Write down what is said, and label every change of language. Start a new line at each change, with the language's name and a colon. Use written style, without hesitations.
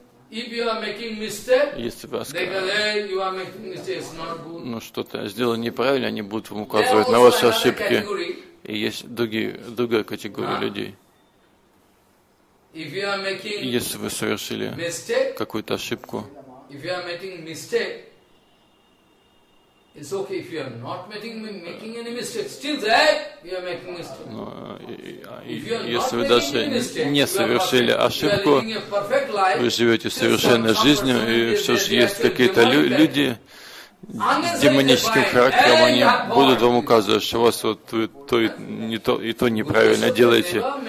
English: If you are making mistake,
Russian: если вы оскорбляете, ну что-то сделали неправильно, они будут вам указывать на ваши ошибки. И есть другая категория людей.
English: If you are making
Russian: если вы совершили какую-то ошибку,
English: if you are making mistake, it's okay if you are not making any mistake. Still that you are making mistake.
Russian: Но если вы даже не совершили ошибку, вы живете совершенной жизнью, и все же есть какие-то люди демоническим характером, они будут вам указывать, что у вас вот то неправильно делаете.